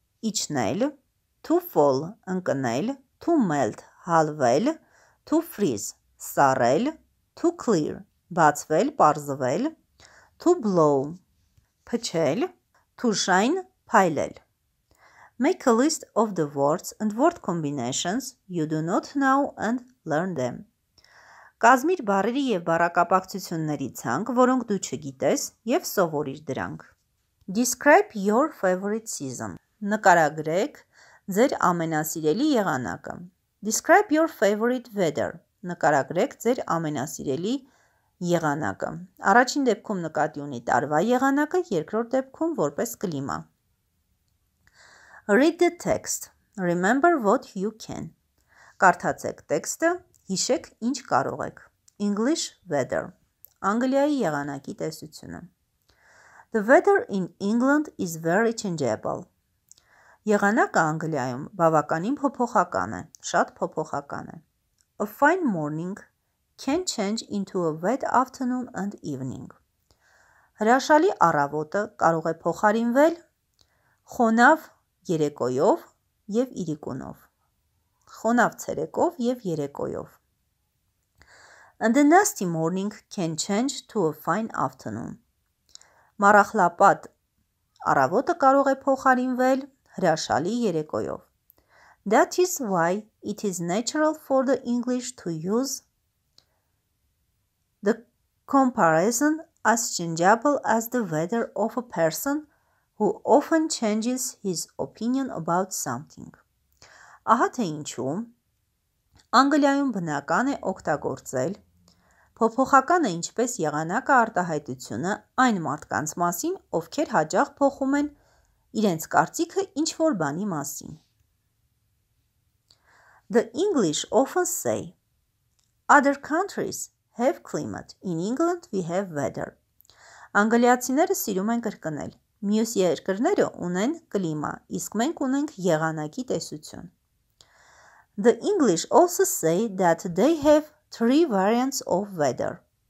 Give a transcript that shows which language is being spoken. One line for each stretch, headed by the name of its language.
Armenian: իջնել,
English: to fall
Armenian: ընկնել,
English: to melt
Armenian: հալվել,
English: to freeze
Armenian: սառել,
English: to clear
Armenian: բացվել, պարզվել,
English: to blow
Armenian: փչել,
English: to shine
Armenian: փայլել.
English: Make a list of the words and word combinations you do not know and learn them.
Armenian: Կազմիր բառերի եւ բառակապակցությունների ցանկ, որոնք դու չգիտես եւ սովորիր դրանք.
English: Describe your favorite season.
Armenian: Նկարագրեք ձեր ամենասիրելի եղանակը.
English: Describe your favorite weather.
Armenian: Նկարագրեք ձեր ամենասիրելի եղանակը. Առաջին դեպքում նկատի ունի տարվա եղանակը, երկրորդ դեպքում որպես կլիմա.
English: Read the text. Remember what you can.
Armenian: Կարդացեք տեքստը, հիշեք ինչ կարող եք.
English: English weather.
Armenian: Անգլիայի եղանակի տեսությունը.
English: The weather in England is very changeable.
Armenian: Եղանակը Անգլիայում բավականին փոփոխական է, շատ փոփոխական է.
English: A fine morning can change into a wet afternoon and evening.
Armenian: Հրաշալի առավոտը կարող է փոխարինվել խոնավ երեկոյով եւ իրիկունով. Խոնավ ցերեկով եւ երեկոյով.
English: And the nasty morning can change to a fine afternoon.
Armenian: Մառախլապատ առավոտը կարող է փոխարինվել հրաշալի երեկոյով.
English: That is why it is natural for the English to use the comparison as changeable as the weather of a person who often changes his opinion about something.
Armenian: Ահա թե ինչու Անգլիայում բնական է օգտագործել փոփոխականը ինչպես եղանակը արտահայտությունը այն մարդկանց մասին, ովքեր հաջող փոխում են իրենց կարծիքը ինչ-որ բանի մասին.
English: The English often say, other countries have climate, in England we have weather.
Armenian: Անգլիացիները սիրում են կրկնել. Մյուս երկրները ունեն կլիմա, իսկ մենք ունենք եղանակի տեսություն.
English: The English also say that they have three variants of weather.